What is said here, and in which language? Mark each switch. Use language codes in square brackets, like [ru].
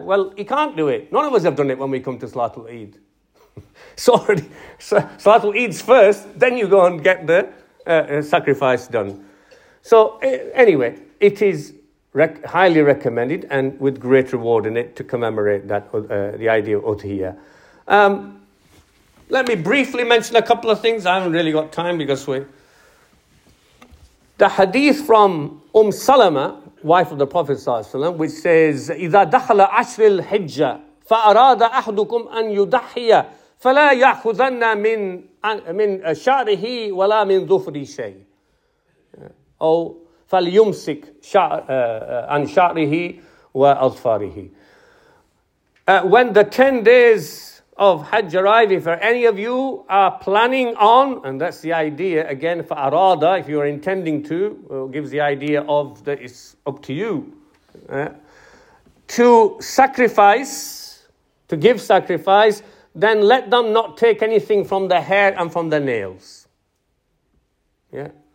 [en] Well, he can't do it. None of us have done it when we come to Salatul Eid. So Salatul Eid's first, then you go and get the sacrifice done. So anyway, it is highly recommended and with great reward in it to commemorate that the idea of Udhiyah. Let me briefly mention a couple of things. I haven't really got time because the hadith from Salama, wife of the Prophet ﷺ, which says, [ar] إِذَا دَخَلَ عَشْرِ الْحِجَّةِ فَأَرَادَ أَحْدُكُمْ أَنْ يُدَحِيَ فَلَا يَأْخُذَنَّ مِنْ شَعْرِهِ وَلَا مِنْ ظُفْرِ شَيْءٍ أو فَلْيُمْسِكْ عَنْ شَعْرِهِ وَأَظْفَارِهِ. [en] When the 10 days of Hajj arrive, if any of you are planning on, and that's the idea again for Arada, if you are intending to, it gives the idea of that it's up to you, to sacrifice, to give sacrifice, then let them not take anything from the hair and from the nails. Yeah?